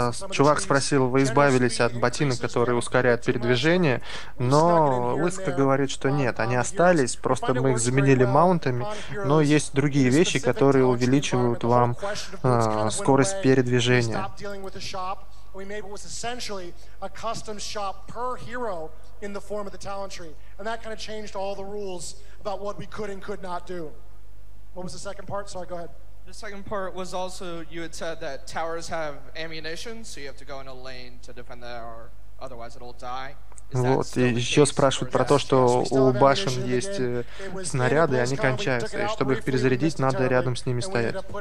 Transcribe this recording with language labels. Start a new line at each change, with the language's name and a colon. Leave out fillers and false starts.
Russian: Чувак спросил, вы избавились от ботинок, которые ускоряют передвижение, но Лыска говорит, что нет, они остались, просто мы их заменили маунтами, но есть другие вещи, которые увеличивают вам скорость передвижения.
English: We made what was essentially a custom shop per hero in the form of the talent tree, and that kind of changed all the rules about what we could and could not do. What was the second part? Sorry, go ahead. The second part was also you had said that towers have ammunition, so you have to go in a lane to defend that, or otherwise it'll die.
Russian: Вот, и еще спрашивают про то, что у башен есть снаряды, и они кончаются, и чтобы их перезарядить, надо рядом с ними стоять.